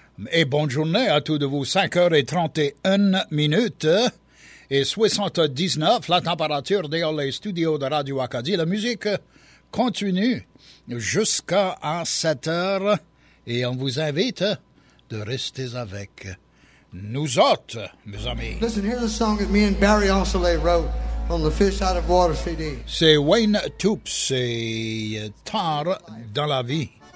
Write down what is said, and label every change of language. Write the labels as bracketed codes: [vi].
[fr] Et bonne journée à tous de vous, 5h31 et 79, la température dans les studios de Radio Acadie. La musique continue jusqu'à 7h et on vous invite de rester avec nous autres, mes amis. [en] Listen, here's a song that me and Barry Ancelet wrote on the Fish Out of Water CD. [fr] C'est Wayne Toups, c'est Tard dans la vie.